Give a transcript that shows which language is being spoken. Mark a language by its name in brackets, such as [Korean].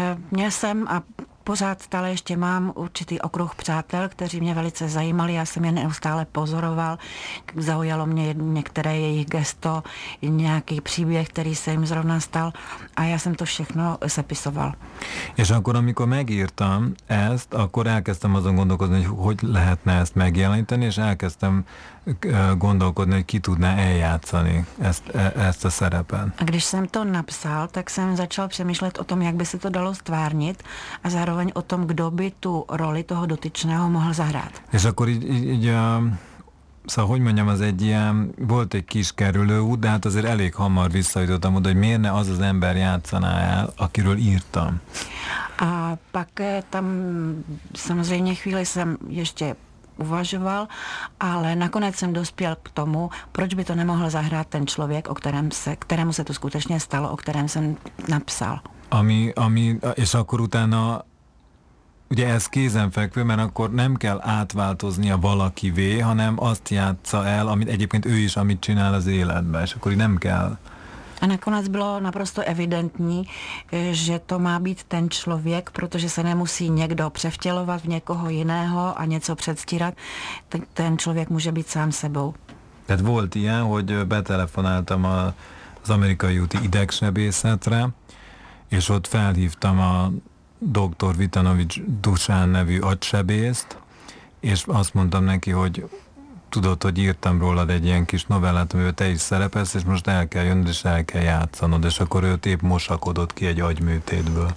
[Czech] Nyeszem a pořád stále ještě mám určitý okruh přátel, kteří mě velice zajímali, já jsem je neustále pozoroval, zaujalo mě některé jejich gesto, nějaký příběh, který se jim zrovna stal a já jsem to všechno sepisoval. [Hungarian] És akkor, amikor megírtam ezt, akkor elkezdtem azon gondolkozni, hogy hogy lehetne ezt megjeleníteni, és elkezdtem gondolkodni, hogy ki tudná eljátszani ezt a szerepet. [Czech] A když jsem to napsal, tak jsem začal přemýšlet o tom, jak by se to dalo stvárnit a zároveň o tom, kdo by tu roli toho dotyčného mohl zahrát. [Hungarian] És akkor az egy ilyen, volt egy kis kerülőút, de hát azért elég hamar visszajutottam oda, hogy miért ne az az ember játszaná el, akiről írtam. [Czech] A pak tam samozřejmě chvíli jsem ještě uvažoval, ale nakonec jsem dospěl k tomu, proč by to nemohl zahrát ten člověk, kterému se to skutečně stalo, o kterém jsem napsal. [Hungarian] És akkor utána, ugye ez kézenfekvő, mert akkor nem kell átváltoznia valakivé, hanem azt játsza el, amit egyébként ő is, amit csinál az életben, és akkor nem kell. [Czech] A nakonec bylo naprosto evidentní, že to má být ten člověk, protože se nemusí někdo převtělovat v někoho jiného a něco předstírat, ten člověk může být sám sebou. [Hungarian] Tehát volt ilyen, hogy betelefonáltam az amerikai úti idegsebészetre, és ott felhívtam a dr. Vitanovics Dusán nevű agysebészt, és azt mondtam neki, hogy tudod, hogy írtam rólad egy ilyen kis novellát, amivel te is szerepelsz, és most el kell jönnöd, és el kell játszanod, és akkor őt épp mosakodott ki egy agyműtétből.